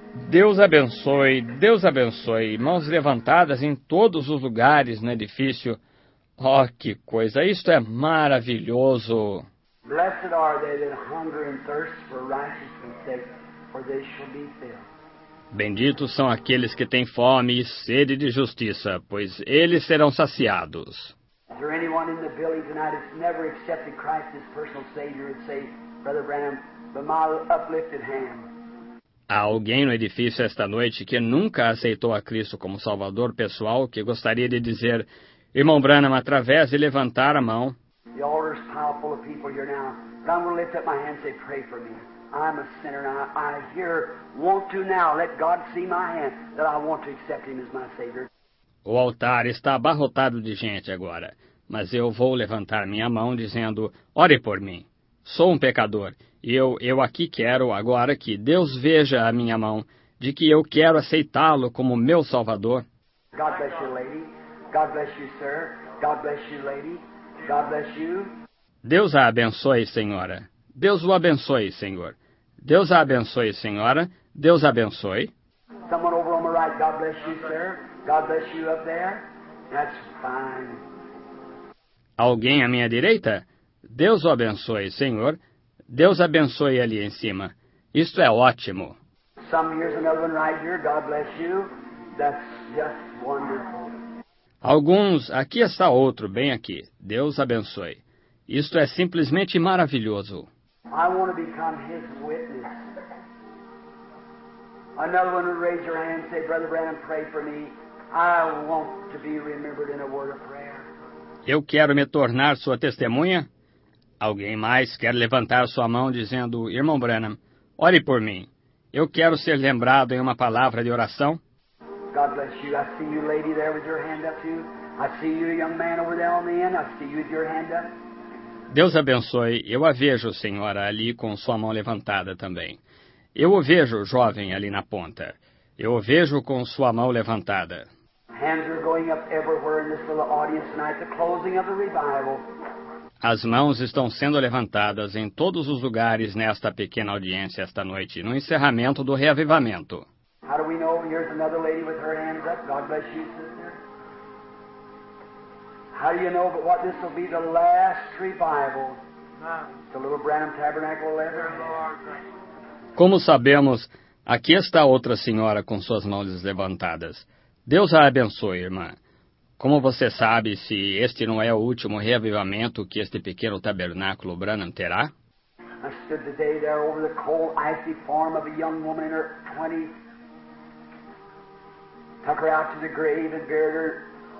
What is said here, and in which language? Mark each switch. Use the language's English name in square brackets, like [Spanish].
[Portuguese] Deus abençoe, Deus abençoe. Mãos levantadas em todos os lugares no edifício. Oh, que coisa! Isto é maravilhoso! [English] Blessed are they that hunger and thirst for righteousness' sake, for they shall be filled. [Portuguese] Benditos são aqueles que têm fome e sede de justiça, pois eles serão saciados. [English] Is there anyone in the building tonight that's never accepted Christ as personal Savior and say, Brother Branham, with my uplifted hand? [Portuguese] Há alguém no edifício esta noite que nunca aceitou a Cristo como Salvador pessoal que gostaria de dizer, Irmão Branham, através de levantar a mão. [English] The altar is powerful of people here now, but I'm going to lift up my hand and say, pray for me. I'm a sinner and I here want to now let God see my hand that I want to accept Him as my Savior. [Portuguese] O altar está abarrotado de gente agora, mas eu vou levantar minha mão dizendo, ore por mim. Sou um pecador. Eu aqui quero agora que Deus veja a minha mão, de que eu quero aceitá-lo como meu Salvador. [English] God bless you, lady. God bless you, sir. God bless you, lady. God bless you. [Portuguese] Deus a abençoe, senhora. Deus o abençoe, senhor. Deus a abençoe, senhora. Deus a abençoe. [English] Someone over on the right. God bless you, sir. God bless you up there. That's fine. [Portuguese] Alguém à minha direita? Deus o abençoe, senhor. Deus abençoe ali em cima. Isto é ótimo. [English] Some here's another one right here. God bless you. That's just wonderful. [Portuguese] Alguns, aqui está outro, bem aqui. Deus abençoe. Isto é simplesmente maravilhoso. [English] I want to become his witness. Another one would raise your hand and say, Brother Branham, pray for me. I want to be remembered in a word of prayer. [Portuguese] Eu quero me tornar sua testemunha. Alguém mais quer levantar sua mão dizendo, Irmão Branham, ore por mim. Eu quero ser lembrado em uma palavra de oração. [English] God bless you. I see you, lady, there with your hand up, too. I see you, young man, over there on the end. I see you with your hand up. [Portuguese] Deus abençoe. Eu a vejo, senhora, ali com sua mão levantada também. Eu o vejo, jovem, ali na ponta. Eu o vejo com sua mão levantada. [English] Hands are going up everywhere in this little audience tonight, the closing of the revival. [Portuguese] As mãos estão sendo levantadas em todos os lugares nesta pequena audiência esta noite, no encerramento do reavivamento. [English] How do we know? Here's another lady with her hands up. God bless you, sister. How do you know but what this will be the last revival? The little Branham Tabernacle letter. [Portuguese] Como sabemos, aqui está outra senhora com suas mãos levantadas. Deus a abençoe, irmã. Como você sabe se este não é o último reavivamento que este pequeno tabernáculo Branham terá? [English] I stood today there over the cold, icy form of a young woman in her 20s. Tuck her out to the grave and buried her.